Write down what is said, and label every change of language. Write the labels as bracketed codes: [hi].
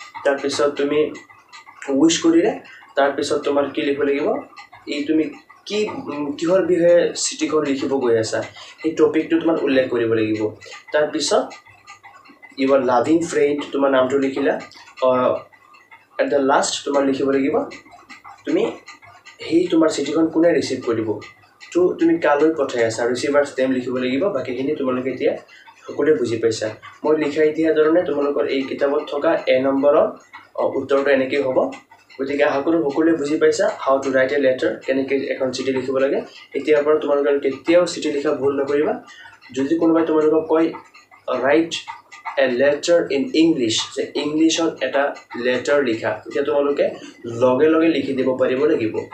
[as] তাৰপিছত তুমি উইচ কৰিলে তাৰপিছত তোমাৰ কি লিখিব লাগিব, এই তুমি কি কিহৰ বিষয়ে চিঠিখন লিখিব গৈ আছা সেই টপিকটো তোমাৰ উল্লেখ কৰিব লাগিব। তাৰপিছত ইয়াৰ লাভিং ফ্ৰেণ্ড তোমাৰ নামটো লিখিলা, [en] at the last [as] তোমাৰ লিখিব লাগিব তুমি সেই তোমাৰ চিঠিখন কোনে ৰিচিভ কৰিব, তো তুমি কালৈ পঠাই আছা, ৰিচিভাৰ্ছ নেম লিখিব লাগিব। বাকীখিনি তোমালোকে এতিয়া সকলোৱে বুজি পাইছা। মই লিখাই দিয়া ধৰণে তোমালোকৰ এই কিতাপত থকা এ নম্বৰৰ উত্তৰটো এনেকৈ হ'ব। গতিকে আশা কৰোঁ সকলোৱে বুজি পাইছা [en] how to write a letter, [as] কেনেকৈ এখন চিঠি লিখিব লাগে। এতিয়াৰ পৰা তোমালোকে কেতিয়াও চিঠি লিখা ভুল নকৰিবা। যদি কোনোবাই তোমালোকক কয় [en] write a letter in English, [as] যে ইংলিছত এটা লেটাৰ লিখা, তেতিয়া তোমালোকে লগে লগে লিখি দিব পাৰিব লাগিব।